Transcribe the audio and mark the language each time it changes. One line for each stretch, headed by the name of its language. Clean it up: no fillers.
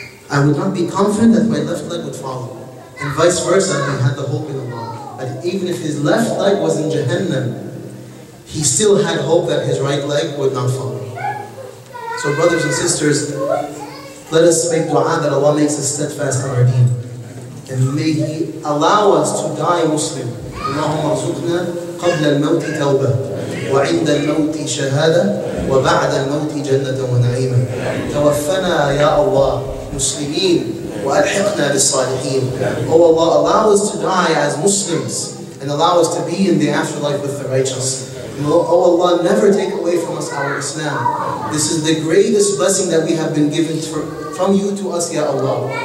English: I would not be confident that my left leg would follow. And vice versa, he had the hope in Allah. But even if his left leg was in Jahannam, he still had hope that his right leg would not follow. So brothers and sisters, let us make dua that Allah makes us steadfast on our deen. And may He allow us to die Muslim.
Arabic: اللهم ارزقنا قبل الموت توبة وعند الموت شهادة وبعد الموت جنة ونعيمة. توفنا يا الله مسلمين وَأَلْحِقْنَا بِالصَّالِحِينَ.
English: Oh Allah, allow us to die as Muslims and allow us to be in the afterlife with the righteous. Oh Allah, never take away from us our Islam. This is the greatest blessing that we have been given from you to us, ya Allah.